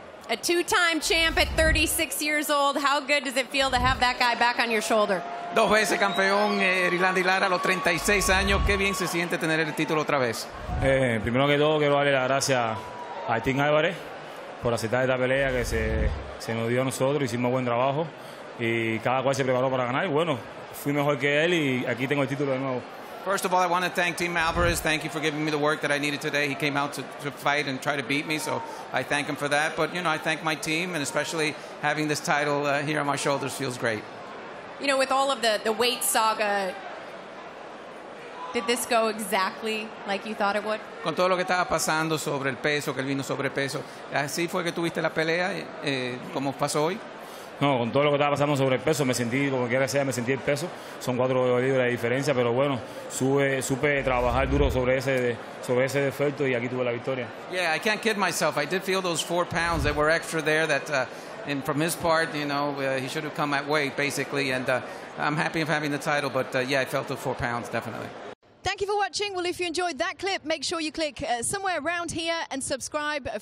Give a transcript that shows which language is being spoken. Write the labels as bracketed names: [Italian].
[English] A two-time champ at 36 years old, how good does it feel to have that guy back on your shoulder? [Spanish] Dos veces campeón Erislandy Lara a los 36 años. Qué bien se siente tener el título otra vez. Primero que todo, quiero darle las gracias a Tim Álvarez por aceptar esta pelea que se nos dio a nosotros. Hicimos buen trabajo y cada cual se preparó para ganar. Y bueno, fui mejor que él y aquí tengo el título de nuevo. [English] First of all, I want to thank Team Alvarez. Thank you for giving me the work that I needed today. He came out to fight and try to beat me, so I thank him for that. But, you know, I thank my team, and especially having this title here on my shoulders feels great. You know, with all of the weight saga, did this go exactly like you thought it would? [Spanish] Con todo lo que estaba pasando sobre el peso, que él vino sobre peso, ¿así fue que tuviste la pelea, como pasó hoy? No, con todo lo que estaba pasando sobre el peso, me sentí, como quiera sea, me sentí el peso. Son 4 libras de diferencia, pero bueno, supe trabajar duro sobre ese defecto y aquí tuve la victoria. [English] Yeah, I can't kid myself. I did feel those 4 pounds that were extra there that... And from his part, you know, he should have come at weight, basically. And I'm happy of having the title, but yeah, I felt the 4 pounds, definitely. Thank you for watching. Well, if you enjoyed that clip, make sure you click somewhere around here and subscribe.